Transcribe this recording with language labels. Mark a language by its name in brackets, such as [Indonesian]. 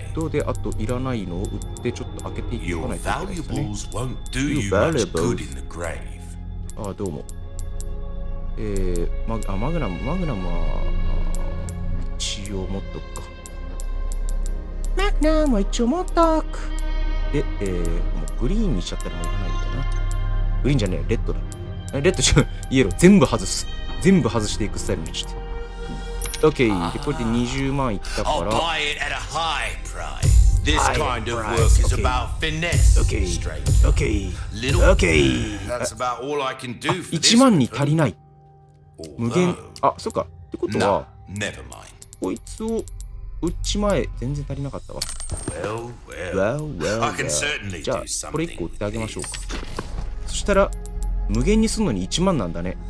[Japanese] で、あと、いらないのを売って、ちょっと開けていかないといけないですね。 [English] Your valuables won't do you much good in the grave. [Japanese] あ、どうも。マグナムは、一応持っとくか。マグナムは一応持っとく。で、もうグリーンにしちゃったらもういらないんだな。グリーンじゃねえ、レッドだ。レッドじゃん、イエロー。全部外していくスタイルにして。オッケー、で、これで20万いったから。 [English] I'll buy it at a high price. This kind of work is about finesse. [Japanese] オッケー、オッケー、オッケー。あ、1万に足りない。無限。あ、そっか。ってことは、 [English] never mind. [Japanese] こいつを。うち前全然足りなかったわ。 [English] Well. [Japanese] じゃあこれ1個売ってあげましょうか。そしたら無限にすんのに1万なんだね。